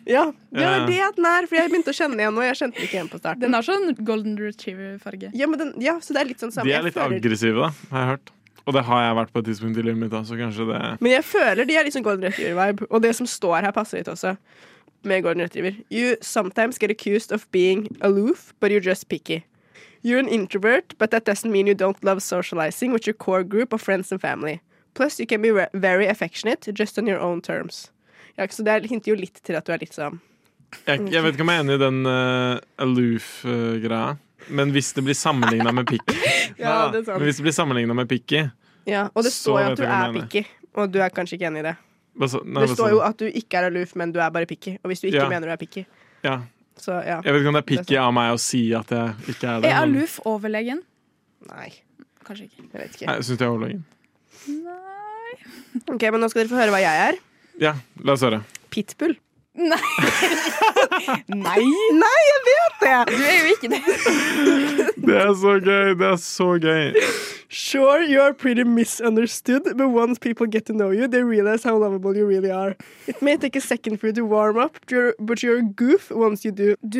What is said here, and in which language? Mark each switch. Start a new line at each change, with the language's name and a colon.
Norwegian: Ja, det er det den er, for jeg begynte å kjenne igjen nå. Jeg kjente ikke igjen på starten. Den har sånn golden retriever-farge. Ja, men den, ja, så det er litt sånn samme. De er litt aggressive, da, har jeg hørt. Og det har jeg vært på et tidspunkt i livet mitt, da, så kanskje det... Men jeg føler de er litt sånn golden retriever-vibe. Og det som står her passer litt også med golden retriever.
English: You sometimes get accused of being aloof, but you're just picky. You're an introvert, but that doesn't mean you don't love socializing with your core group of friends and family. Plus, you can be very affectionate, just on your own terms.
Norwegian: Ja, så det hinter jo litt til at du er litt sånn... Jeg vet ikke om jeg er enig i den aloof-greia, men hvis det blir sammenlignet med picky... ja, det er sant. Men hvis det blir sammenlignet med picky... Ja, og det står jo at du er picky, og du er kanskje ikke enig i det. Det står jo at du ikke er aloof, men du er bare picky, og hvis du ikke mener du er picky... Ja. Så, ja. Jeg vet ikke om det er picky av meg å si at jeg ikke er det. Er aloof overlegen? Nei, kanskje ikke. Jeg vet ikke. Nei, synes jeg er overlegen. Nei. Ok, men nå skal dere få høre hva jeg er. Ja, la oss høre. Pitbull. Nei. Nei. Nei, jeg vet det. Du er jo ikke det. Det er så gøy, det er så gøy.
English: Sure, you are pretty misunderstood, but once people get to know you, they realize how lovable you really are. It may take a second for you to warm up, but you're a goof once you do.